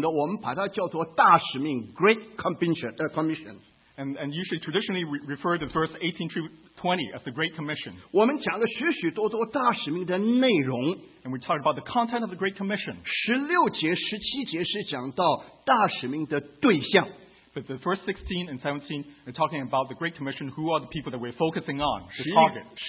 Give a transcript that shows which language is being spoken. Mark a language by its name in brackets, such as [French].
[Chinese] 如果18节到20节传统的，我们把它叫做大使命 Great Commission. [English] And usually traditionally we refer to verse 18 to 20 as the Great Commission. [Chinese] 我们讲了许许多多大使命的内容。 [English] And we talked about the content of the Great Commission. [Chinese] 16节、17节是讲到大使命的对象。 [English] But the first 16 and 17 are talking about the Great Commission, who are the people that we're focusing on, the target.